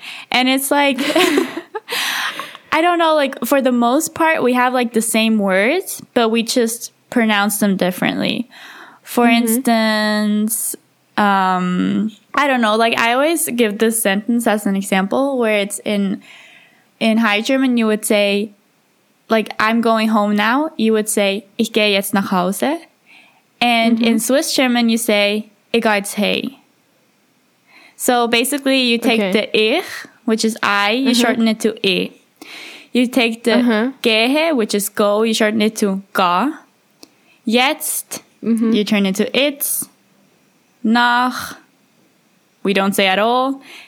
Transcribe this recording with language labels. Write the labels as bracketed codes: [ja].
[en] And it's like, I don't know, like, for the most part, we have, like, the same words, but we just pronounce them differently. For instance, I don't know, like I always give this sentence as an example where it's in High German, you would say, like, I'm going home now. You would say, [de] ich gehe jetzt nach Hause. [en] And in Swiss German, you say, [de] ich gehe jetzt hey. [en] So basically you take the ich, which is I, you shorten it to I. You take the gehe, which is go, you shorten it to ga. Jetzt. You turn it to it's, nach, we don't say at all.